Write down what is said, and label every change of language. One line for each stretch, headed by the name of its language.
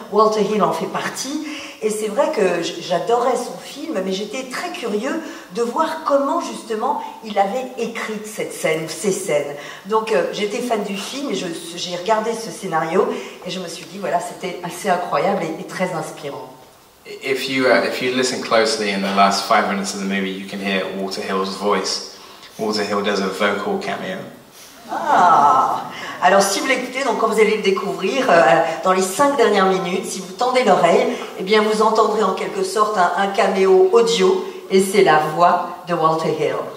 French: Walter Hill en fait partie. Et c'est vrai que j'adorais son film, mais j'étais très curieux de voir comment, justement, il avait écrit cette scène, ces scènes. Donc, j'étais fan du film, et j'ai regardé ce scénario, et je me suis dit, voilà, c'était assez incroyable et très inspirant.
English: If you listen closely in the last 5 minutes of the movie, you can hear Walter Hill's voice. Walter Hill does a vocal cameo. Ah!
French: Alors, si vous l'écoutez, donc quand vous allez le découvrir, dans les 5 dernières minutes, si vous tendez l'oreille, eh bien, vous entendrez en quelque sorte un caméo audio, et c'est la voix de Walter Hill.